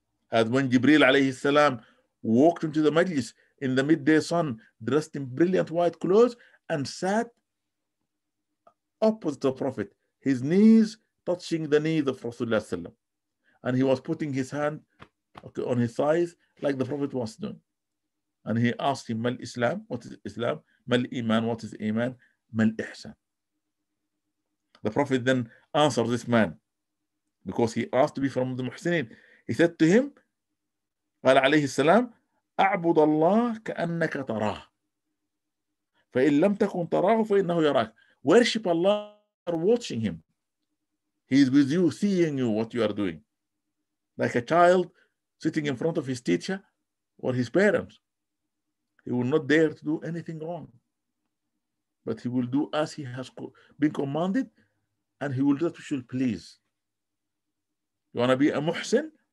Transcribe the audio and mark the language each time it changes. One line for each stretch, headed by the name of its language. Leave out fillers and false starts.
English: As when Jibreel alayhi salam walked into the majlis in the midday sun, dressed in brilliant white clothes, and sat opposite the Prophet, his knees touching the knees of Rasulullah sallam, and he was putting his hand on his thighs like the Prophet was doing. And he asked him, Mal Islam? What is Islam? Mal Iman? What is Iman? Mal Ihsan? The Prophet then answered this man, because he asked to be from the Muhsinin. He said to him,
Arabic: قال عليه السلام أعبد الله كأنك تراه فإن لم تكن تراه فإنه يراك.
English: Worship Allah, watching him. He is with you, seeing you, what you are doing. Like a child sitting in front of his teacher or his parents. He will not dare to do anything wrong. But he will do as he has been commanded, and he will do that which will please. You want to be a muhsin?